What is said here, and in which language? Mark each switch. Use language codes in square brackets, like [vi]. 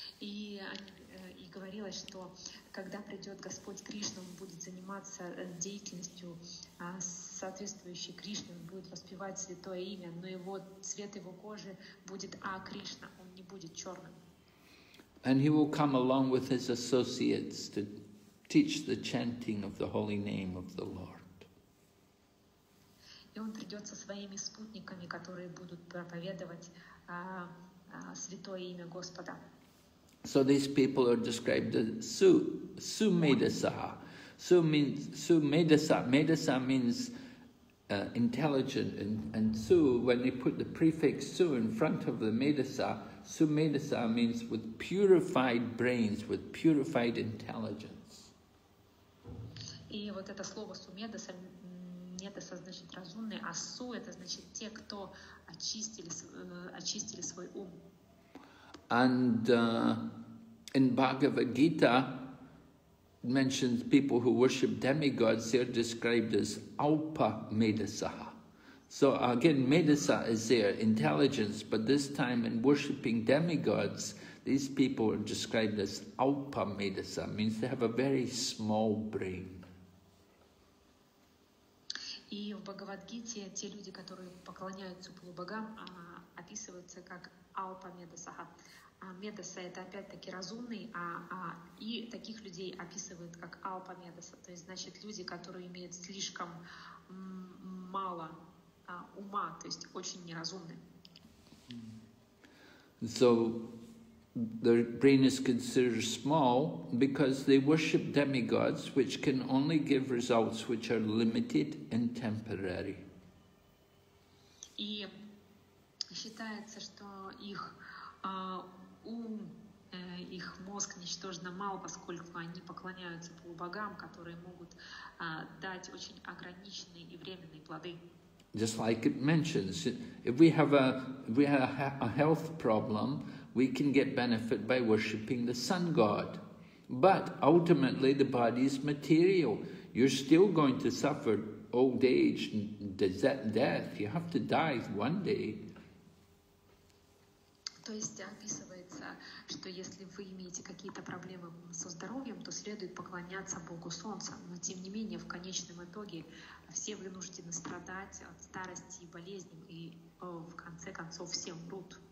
[ru] И говорилось, что когда придет Господь Кришна, он будет заниматься деятельностью, соответствующей Кришне, он будет воспевать святое имя, но его цвет его кожи будет Акришна, он не будет черным. [en] And he will come along with his associates to teach the chanting of the holy name of the Lord. [ru] И он придет со своими спутниками, которые будут проповедовать святое имя Господа. [en] So these people are described as Sumedasaha. Medasa means intelligent, and Su, when they put the prefix Su in front of the Medasa, Sumedasaha means with purified brains, with purified intelligence. [ru] И вот это слово Sumedasa. Нет, это значит разумные, а су – это значит те, кто очистили свой ум. [en] And in Bhagavad Gita, it mentions people who worship demigods, they are described as alpa medasaha. So again, medasa is their intelligence, but this time in worshiping demigods, these people are described as alpa medasa, means they have a very small brain. [ru] И в Бхагавад-гите те люди, которые поклоняются полубогам, описываются как алпа-медасаха. Медаса это опять-таки разумный, и таких людей описывают как алпа-медаса. То есть, значит, люди, которые имеют слишком мало ума, то есть очень неразумные. [en] So their brain is considered small because they worship demigods, which can only give results which are limited and temporary. [ru] И считается, что их ум, их мозг ничтожно мал, поскольку они поклоняются полубогам, которые могут дать очень ограниченные и временные плоды. [en] Just like it mentions, if we have a health problem, we can get benefit by worshipping the sun god. But ultimately the body is material. You're still going to suffer old age and death. You have to die one day. [ru] То есть описывается, что если вы имеете какие-то проблемы со здоровьем, то следует поклоняться Богу Солнца. Но тем не менее, в конечном итоге все вынуждены страдать от старости и болезней, и в конце концов все умрут.